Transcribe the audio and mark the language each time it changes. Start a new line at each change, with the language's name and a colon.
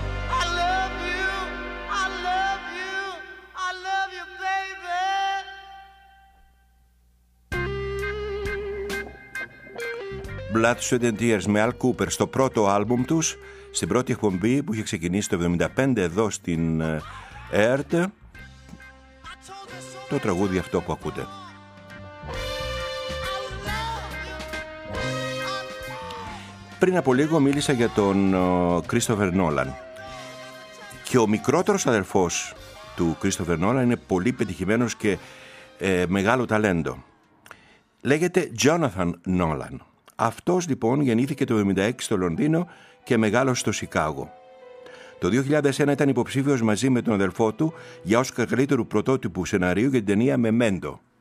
English: I love you, I love you, I love you, baby.
Greek: Blood, Sweat and Tears με Al Kooper στο πρώτο άλμπουμ τους. Στην πρώτη εκπομπή που είχε ξεκινήσει το 1975 εδώ στην ΕΡΤ, το τραγούδι αυτό που ακούτε. Πριν από λίγο μίλησα για τον Christopher Nolan. Και ο μικρότερος αδερφός του Christopher Nolan είναι πολύ πετυχημένος και μεγάλο ταλέντο. Λέγεται Jonathan Nolan. Αυτός λοιπόν γεννήθηκε το 1976 στο Λονδίνο και μεγάλος στο Σικάγο. Το 2001 ήταν υποψήφιος μαζί με τον αδερφό του για ως καλύτερου πρωτότυπου σεναρίου για την ταινία Memento.